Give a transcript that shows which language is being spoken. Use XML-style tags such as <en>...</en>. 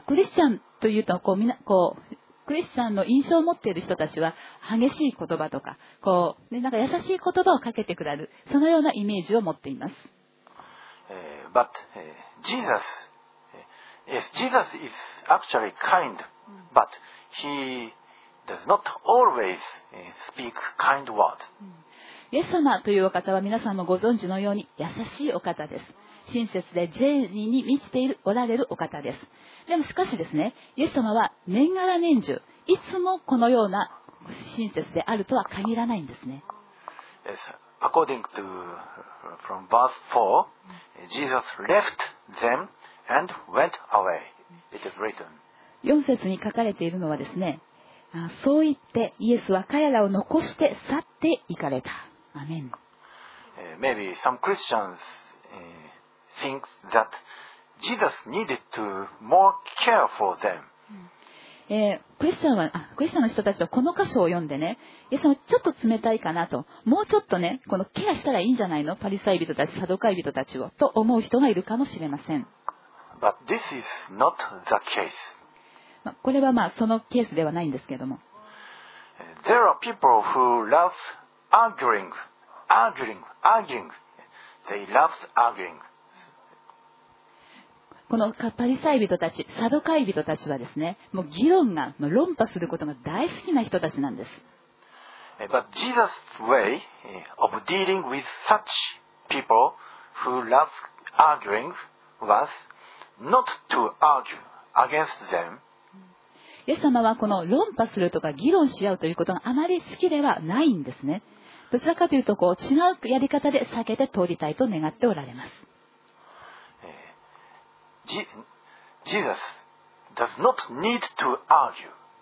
<ja>クリスチャンというとこうみなこうクリスチャンの印象を持っている人たちは激しい言葉とかこう、ね、なんか優しい言葉をかけてくれる、そのようなイメージを持っています。</ja> <en>But Jesus yes, Jesus is actually kind but he does not always speak kind words、</en> <ja>イエス様というお方は皆さんもご存知のように優しいお方です。親切で善意に満ちているおられるお方です。でもしかしですね、イエス様は年がら年中いつもこのような親切であるとは限らないんですね。</ja> <en>Yes, according to from verse 4 Jesus left them and went away. It is written.</en> <ja>4節に書かれているのはですね、そう言ってイエスは彼らを残して去って行かれた。</ja> <en>Amen. Maybe some Christians think that Jesus needed to more care for them.</en> <ja>クリスチャンの人たちはこの箇所を読んでね、イエス様ちょっと冷たいかなと、もうちょっとねこのケアしたらいいんじゃないの、パリサイ人たちサドカイ人たちをと思う人がいるかもしれません。</ja> <en>But this is not the case.</en> <ja>これはまあそのケースではないんですけども。</ja> <en>There are people who love. Arguing. They love arguing.</en> <ja>このパリサイ人たち、サドカイ人たちはですね、もう議論が、もう論破することが大好きな人たちなんです。</ja> <en>But Jesus' way of dealing with such people who love arguing was not to argue against them.</en> <ja>イエス様はこの論破するとか議論し合うということがあまり好きではないんですね。どちらかというとこう違うやり方で避けて通りたいと願っておられます。</ja> <en>Jesus does not need to argue.</en>